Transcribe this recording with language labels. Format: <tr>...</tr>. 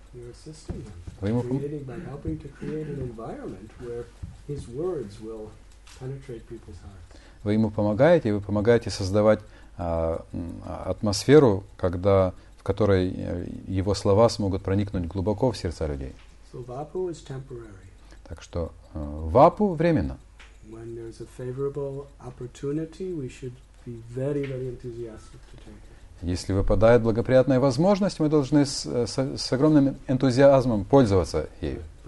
<en>You're assisting him. By helping to create an environment where his words will penetrate people's hearts.</en> <ru>Вы ему помогаете, вы помогаете создавать атмосферу, когда, в которой его слова смогут проникнуть глубоко в сердца людей.</ru> <en>So Vapu is temporary.</en> <ru>Так что Вапу временно.</ru> <en>When there's a favorable opportunity, we should be very, very enthusiastic to take it.</en> <ru>Если выпадает благоприятная возможность, мы должны с огромным энтузиазмом пользоваться ею.</ru>